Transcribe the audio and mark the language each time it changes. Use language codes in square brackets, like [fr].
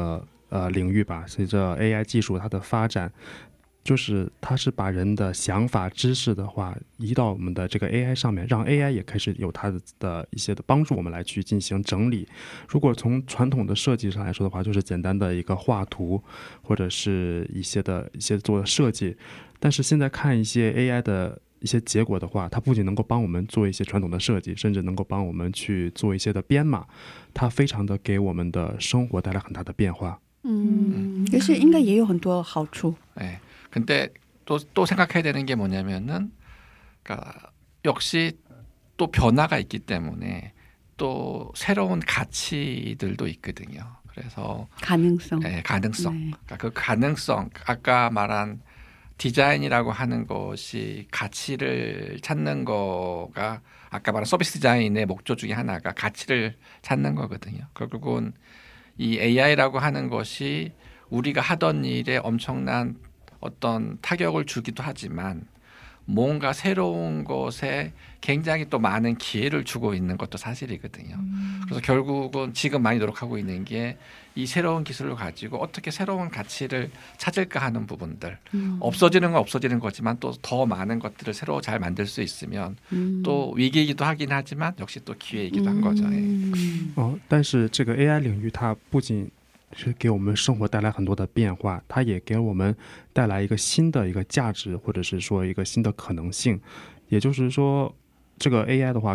[zh] 确实这个是人们很担心的一个领域吧随着AI技术它的发展 就是它是把人的想法知识的话移到我们的这个 AI 上面，让 AI 也开始有它的一些的帮助我们来去进行整理。如果从传统的设计上来说的话，就是简单的一个画图，或者是一些的一些做设计。但是现在看一些 AI 的一些结果的话，它不仅能够帮我们做一些传统的设计，甚至能够帮我们去做一些的编码，它非常的给我们的生活带来很大的变化。嗯，就是应该也有很多好处。哎。 [ko] 근데 또 생각해야 되는 게 뭐냐면은 역시 또 변화가 있기 때문에 또 새로운 가치들도 있거든요. 그래서 가능성, 네, 가능성. 네. 그러니까 그 가능성 아까 말한 디자인이라고 하는 것이 가치를 찾는 거가 아까 말한 서비스 디자인의 목적 중에 하나가 가치를 찾는 거거든요. 결국은 이 AI라고 하는 것이 우리가 하던 일에 엄청난 어떤 타격을 주기도 하지만 뭔가 새로운 것에 굉장히 또 많은 기회를 주고 있는 것도 사실이거든요. 그래서 결국은 지금 많이 노력하고 있는 게 이 새로운 기술을 가지고 어떻게 새로운 가치를 찾을까 하는 부분들. 없어지는 건 없어지는 거지만 또 더 많은 것들을 새로 잘 만들 수 있으면 또 위기이기도 하긴 하지만 역시 또 기회이기도 한 거죠. [zh] 但是这个 AI 领域它不仅 是给我们生活带来很多的变化，它也给我们带来一个新的一个价值，或者是说一个新的可能性。也就是说，这个 AI